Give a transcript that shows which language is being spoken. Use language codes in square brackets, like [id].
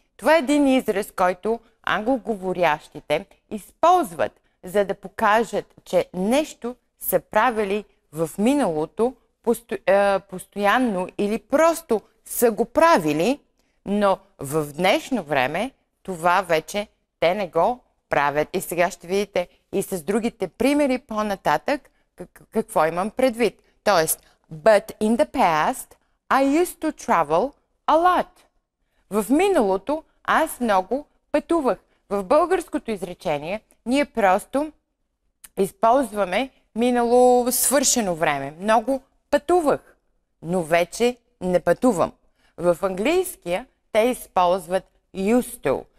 [bg] Това е един израз, който англоговорящите използват, за да покажат, че нещо са правили в миналото постоянно или просто са го правили, но в днешно време това вече те не го правят. И сега ще видите и с другите примери по-нататък какво имам предвид. Тоест, [en] but in the past I used to travel a lot. [bg] В миналото аз много пътувах. В българското изречение ние просто използваме минало свършено време. Много пътувах, но вече не пътувам. В английския те използват used to.